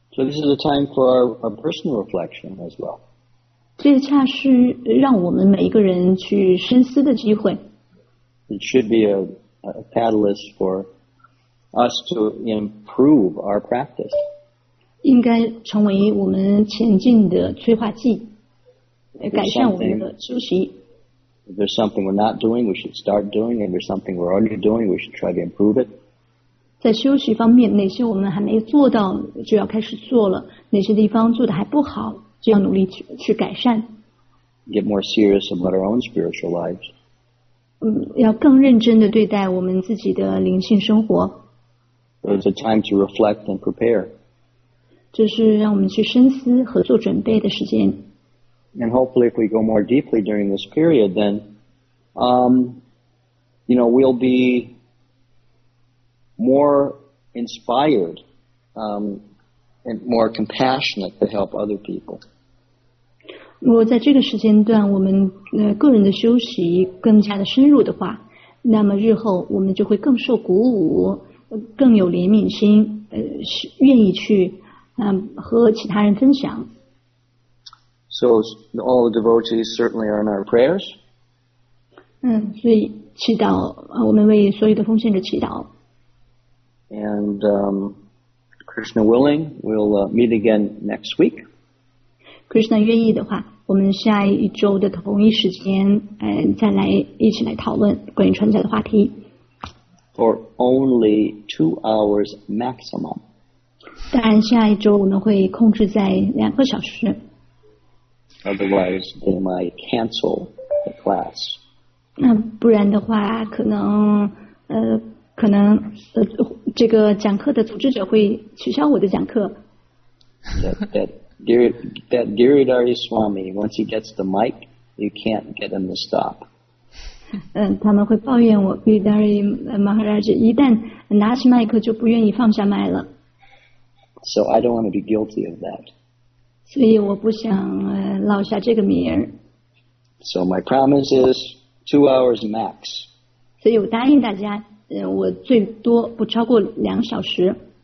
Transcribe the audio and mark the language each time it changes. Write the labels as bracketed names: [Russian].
[English] So this is a time for our personal reflection as well. [Chinese] 这恰是让我们每一个人去深思的机会。 [English] It should be a catalyst for us to improve our practice. [Chinese] 应该成为我们前进的催化剂，改善我们的休息。 [English] If there's something we're not doing, we should start doing. If there's something we're already doing, we should try to improve it. [Chinese] 在休息方面，哪些我们还没做到就要开始做了，哪些地方做得还不好就要努力去改善。 [English] Get more serious about our own spiritual lives. [Chinese] 要更认真地对待我们自己的灵性生活。 [English] It's a time to reflect and prepare. [Chinese] 这是让我们去深思和做准备的时间。 [English] And hopefully, if we go more deeply during this period, then, you know, we'll be more inspired, and more compassionate to help other people. [Chinese] 如果在这个时间段，我们个人的休息更加的深入的话，那么日后我们就会更受鼓舞，更有怜悯心，愿意去。和其他人分享。 [English] So all the devotees certainly are in our prayers. [Chinese] 所以祈祷，我们为所有的奉献者祈祷。 [English] And Krishna willing, we'll meet again next week. [Chinese] Krishna 愿意的话，我们下一周的同一时间，再来一起来讨论关于传教的话题。 [English] For only 2 hours maximum. [Chinese] 当然下一周我们会控制在2个小时。 [English] Otherwise, they might cancel the class. [Chinese] 那不然的话，可能可能这个讲课的组织者会取消我的讲课。 [English] That Giridhari Swami, once he gets the mic, you can't get him to stop. [Chinese] 他们会抱怨我 ，Giridhari Maharaj 一旦拿起麦克就不愿意放下麦了。 [English] So I don't want to be guilty of that. [Chinese] 所以我不想落下这个名儿。 [English] So my promise is 2 hours max. [Chinese] 所以我答应大家，我最多不超过两小时。